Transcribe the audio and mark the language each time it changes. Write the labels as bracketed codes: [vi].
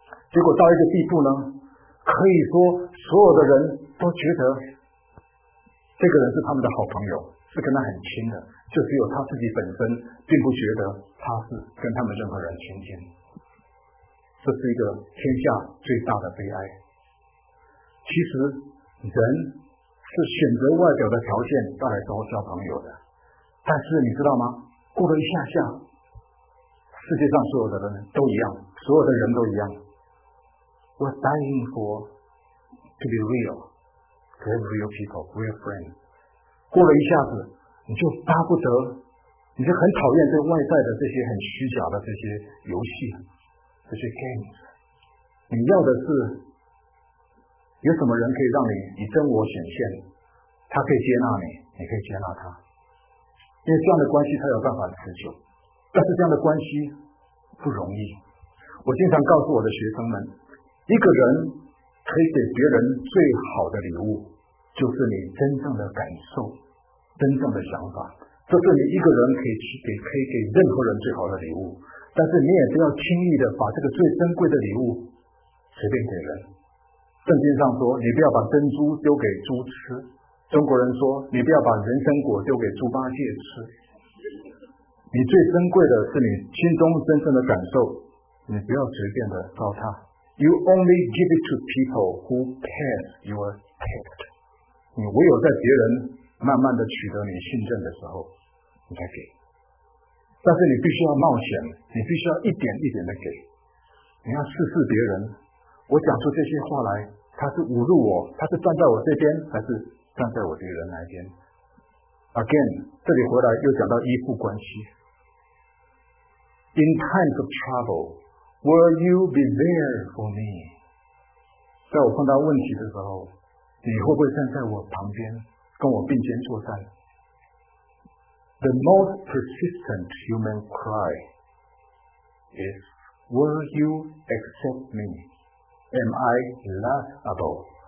[zh] 结果到一个地步呢，可以说所有的人都觉得这个人是他们的好朋友，是跟他很亲的，就只有他自己本身并不觉得他是跟他们任何人亲近，这是一个天下最大的悲哀。其实人是选择外表的条件带来多交朋友的，但是你知道吗？过了一下下，世界上所有的人都一样，所有的人都一样。 [en] We're dying for to be real, to have real people, real friends。 [zh] 过了一下子，你就巴不得，你就很讨厌这外在的这些很虚假的这些游戏，这些 games。你要的是，有什么人可以让你以真我显现？他可以接纳你，你可以接纳他，因为这样的关系才有办法持久。但是这样的关系不容易。我经常告诉我的学生们，一个人可以给别人最好的礼物，就是你真正的感受、真正的想法。这是你一个人可以给任何人最好的礼物。但是你也不要轻易的把这个最珍贵的礼物随便给人。圣经上说，你不要把珍珠丢给猪吃。中国人说，你不要把人参果丢给猪八戒吃。你最珍贵的是你心中真正的感受，你不要随便的糟蹋。 [en] You only give it to people who pass your test。 [zh] 你唯有在别人慢慢的取得你信任的时候，你才给。但是你必须要冒险，你必须要一点一点的给。你要试试别人，我讲出这些话来，他是侮辱我，他是站在我这边，还是站在我敌人那边？ Again， 这里回来又讲到依附关系。 [en] In times of trouble, will you be there for me？ [zh] 在我碰到问题的时候，你会不会站在我旁边，跟我并肩作战？ [en] The most persistent human cry is, will you accept me？ Am I lovable？